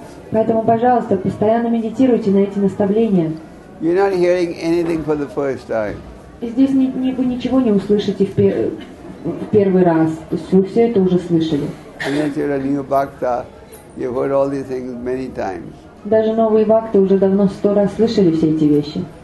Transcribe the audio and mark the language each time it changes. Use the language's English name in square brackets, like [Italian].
[Russian] Поэтому, пожалуйста, постоянно медитируйте на эти наставления. [English] You're not hearing anything for the first time. [Russian] И здесь вы ничего не услышите в первый раз. То есть вы все это уже слышали. [English] Unless you're a new bhakta, you've heard all these things many times. [Russian] Даже новые бхакты уже давно 100 раз слышали все эти вещи.